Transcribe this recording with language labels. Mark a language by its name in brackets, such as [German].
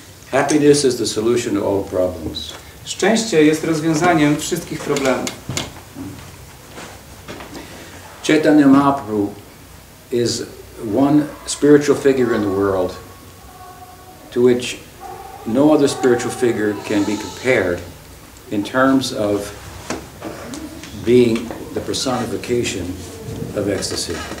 [English] Happiness is the solution to all problems. [Polish] Szczęście jest rozwiązaniem wszystkich problemów. [English] Chaitanya Mahaprabhu is one spiritual figure in the world to which no other spiritual figure can be compared in terms of being the personification of ecstasy.